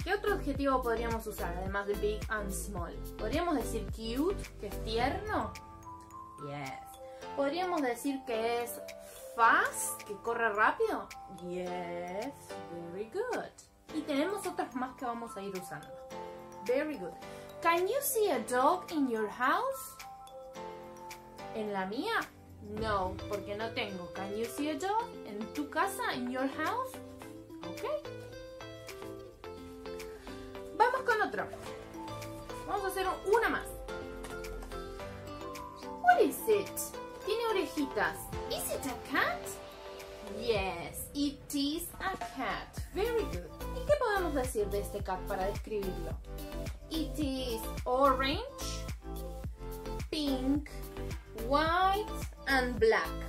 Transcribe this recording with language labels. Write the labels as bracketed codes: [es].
[es] ¿Qué otro adjetivo podríamos usar además de [en] big and small? [es] ¿Podríamos decir cute, que es tierno? [en] Yes. [es] ¿Podríamos decir que es fast, que corre rápido? [en] Yes, very good. [es] Y tenemos otras más que vamos a ir usando. [en] Very good. Can you see a dog in your house? [es] ¿En la mía? No, porque no tengo. [en] Can you see a dog [es] en tu casa, [en] in your house? Ok. [es] Vamos con otro. Vamos a hacer una más. [en] What is it? [es] Tiene orejitas. [en] Is it a cat? Yes, it is a cat. Very good. [es] ¿Y qué podemos decir de este cat para describirlo? [en] It is orange, pink, white, and black.